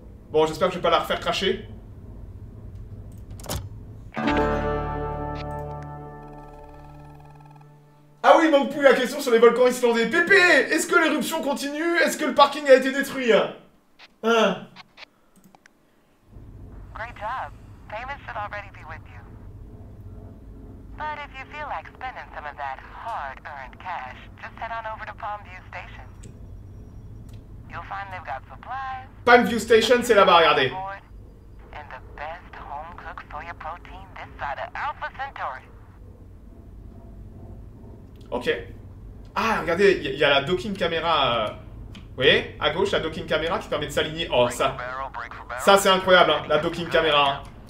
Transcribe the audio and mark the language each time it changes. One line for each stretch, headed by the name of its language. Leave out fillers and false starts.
French: Bon, j'espère que je vais pas la refaire cracher. Ah oui, il manque plus la question sur les volcans islandais. Pépé, est-ce que l'éruption continue? Est-ce que le parking a été détruit? Hein?
English: Great job. Payment should already be with you. But if you feel like spending some of that hard-earned cash, just head on over to Palmview Station. You'll find they've got supplies.
French: Palmview Station, c'est là-bas, regardez.
English: And the best home cook for your protein this side of Alpha Centauri.
French: Ok. Ah, regardez, il y a la docking caméra. Vous voyez, à gauche, la docking caméra qui permet de s'aligner. Oh, ça c'est incroyable, hein, la docking caméra.